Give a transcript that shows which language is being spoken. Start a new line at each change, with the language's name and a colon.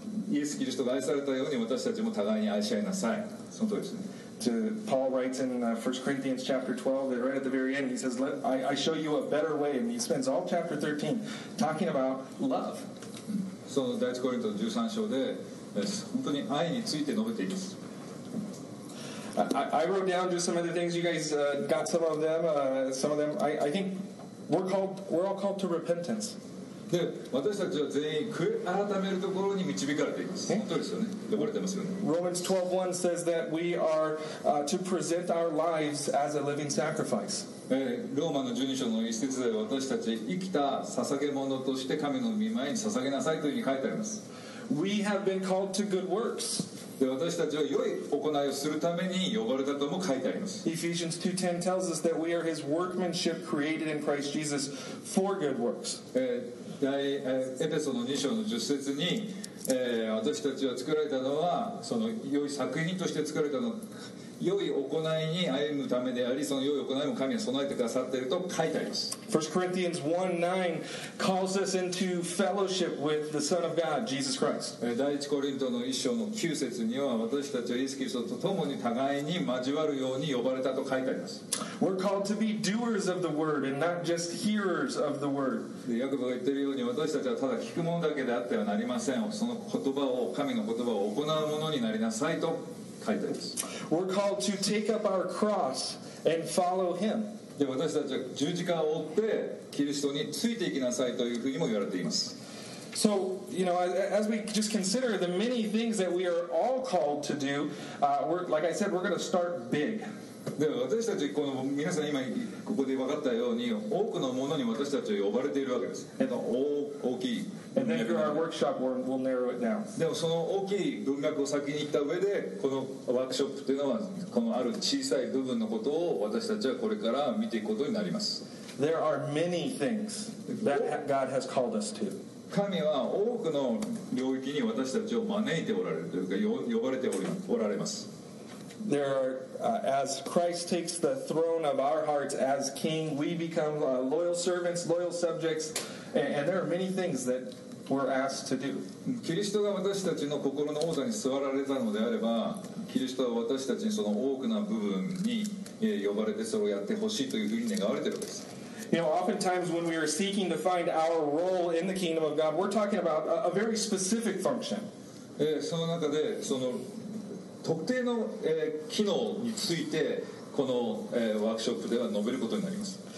Japanese: イエス・キリストが愛されたように私たちも互いに愛し合いなさい。その通りですね。
English: To Paul writes in 1 Corinthians chapter 12, that right at the very end, he says, I show you a better way. And he spends all chapter 13 talking about love.
Japanese: その第一コリントの13章で、本当に愛について述べています。
English: I wrote down just some of the things. You guys got some of them. Some of them, I think we're all called to repentance.
Japanese: で私たちは全員悔い改めるところに導かれています。本当ですよね。呼ばれてますよね。
English: Romans 12:1 says that we are to present our lives as a living sacrifice.
Japanese: ローマの12章の一節で私たち生きた捧げ物として神の御前に捧げなさいというふうに書いてあります。
English: We have been called to good works.
Japanese: で私たちは良い行いをするために呼ばれたとも書いてあります。
English: Ephesians 2:10 tells us that we are His workmanship created in Christ Jesus for good works.
Japanese: エペソの2章の10節に、私たちは作られたのはその良い作品として作られたの、良い行いに歩むためであり、その良い行いも神は備えてくださっていると書いてあります。
English: 1 Corinthians 1:9 calls us into fellowship with the Son of God, Jesus Christ.
Japanese: 第1コリントの1章の9節には、私たちはイエス・キリストと共に互いに交わるように呼ばれたと書いてあります。
English: We're called to be doers of the word and not just hearers of the word.
Japanese: ヤコブが言っているように、私たちはただ聞くものだけであってはなりません。その言葉を、神の言葉を行うものになりなさいと。
English: We're called to take up our cross and follow Him.
Japanese: で、私たちは十字架を追ってキリストについていきなさいというふうにも言われています。
English: So, you know, as we just consider the many things that we are all called to do, we're, like I said, we're going to start big.
Japanese: で、私たちこの皆さん今ここで分かったように多くのものに私たちは呼ばれているわけです。大きい。
English: And then through our workshop, we'll narrow it down.
Japanese: でもその大きい文脈を先に行った上で、このワークショップというのは、このある小さい部分のことを私たちはこれから見ていくことになります。
English: There are many things that God has called us to.
Japanese: 神は多くの領域に私たちを招いておられるというか、呼ばれておられます。
English: There are, as Christ takes the throne of our hearts as king, we become loyal servants, loyal subjects, and there are many things that we're asked to do.
Japanese: キリストが私たちの心の王座に座られたのであれば、キリストは私たちにその多くの部分に呼ばれてそれをやってほしいというふうに願われているんです。
English: You know, oftentimes when we are seeking to find our role in the kingdom of God, we're talking about a very specific function.
Japanese: その中でその特定の機能についてこのワークショップでは述べることになります。